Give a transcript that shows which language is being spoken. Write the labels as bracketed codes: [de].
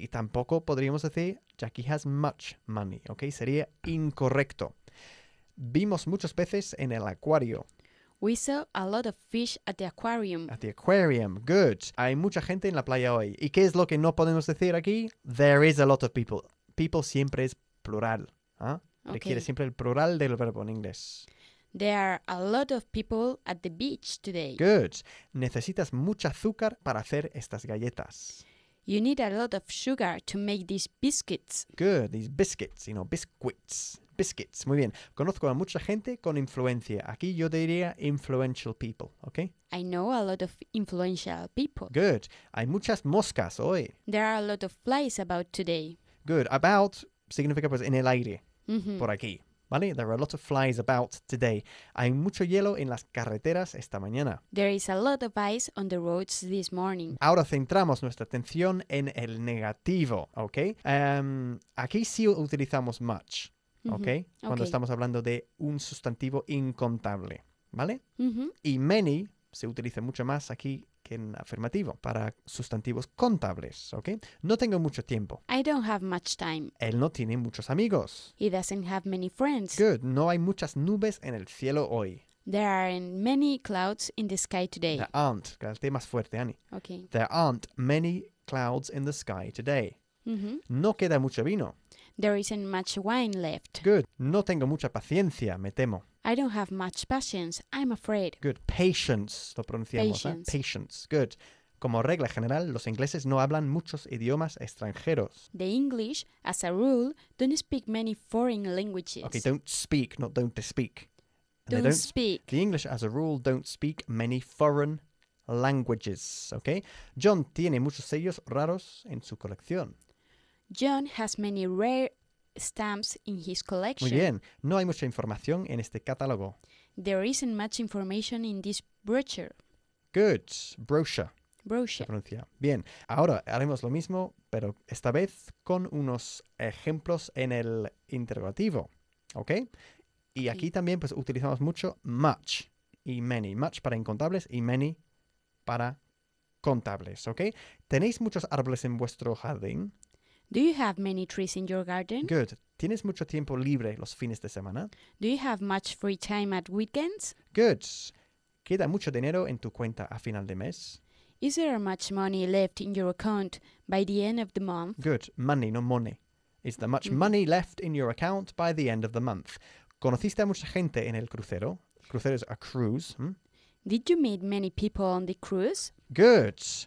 [es] Y tampoco podríamos decir [en] Jackie has much money, [es] ¿ok? Sería incorrecto. Vimos muchos peces en el acuario. [en] We saw a lot of fish at the aquarium. At the aquarium, good. [es] Hay mucha gente en la playa hoy. ¿Y qué es lo que no podemos decir aquí? [en] There is a lot of people. [es] People siempre es plural, ¿eh? Okay. Requiere siempre el plural del verbo en inglés. [en] There are a lot of people at the beach today. [es] Good. Necesitas mucha azúcar para hacer estas galletas. [en] You need a lot of sugar to make these biscuits. Good. These biscuits, you know, biscuits. Biscuits. [es] Muy bien. Conozco a mucha gente con influencia. Aquí yo diría [en] influential people, [es] ¿ok? [en] I know a lot of influential people. [es] Good. Hay muchas moscas hoy. [en] There are a lot of flies about today. [es] Good. About significa pues en el aire, por aquí. ¿Vale? [en] There are a lot of flies about today. [es] Hay mucho hielo en las carreteras esta mañana. [en] There is a lot of ice on the roads this morning. [es] Ahora centramos nuestra atención en el negativo, ¿ok? Aquí sí utilizamos much, ¿ok? Cuando estamos hablando de un sustantivo incontable, ¿vale? Y many se utiliza mucho más aquí que en afirmativo para sustantivos contables, ¿ok? No tengo mucho tiempo. [en] I don't have much time. [es] Él no tiene muchos amigos. [en] He doesn't have many friends. Good. [es] No hay muchas nubes en el cielo hoy. [en] There aren't many clouds in the sky today. There aren't. [es] Cállate más fuerte, Annie. [en] Okay. There aren't many clouds in the sky today. [es] No queda mucho vino. [en] There isn't much wine left. [es] Good. No tengo mucha paciencia, me temo. [en] I don't have much patience, I'm afraid. Good. Patience, [es] lo pronunciamos. [en] Patience. ¿Eh? Patience. Good. [es] Como regla general, los ingleses no hablan muchos idiomas extranjeros. [en] The English, as a rule, don't speak many foreign languages. Okay, don't speak, not don't speak. Don't speak. The English, as a rule, don't speak many foreign languages, okay? [es] John tiene muchos sellos raros en su colección. [en] John has many rare stamps in his collection. [es] Muy bien. No hay mucha información en este catálogo. [en] There isn't much information in this brochure. Good. Brochure. Brochure. [es] Se pronuncia. Bien. Ahora haremos lo mismo, pero esta vez con unos ejemplos en el interrogativo. ¿Ok? Y aquí también pues utilizamos mucho much y many. Much para incontables y many para contables. ¿Ok? ¿Tenéis muchos árboles en vuestro jardín? [en] Do you have many trees in your garden? Good. [es] ¿Tienes mucho tiempo libre los fines de semana? [en] Do you have much free time at weekends? Good. [es] ¿Queda mucho dinero en tu cuenta a final de mes? [en] Is there much money left in your account by the end of the month? Good. Money, no money. Is there much money left in your account by the end of the month? [es] ¿Conociste a mucha gente en el crucero? Crucero [en] is a cruise. Did you meet many people on the cruise? Good.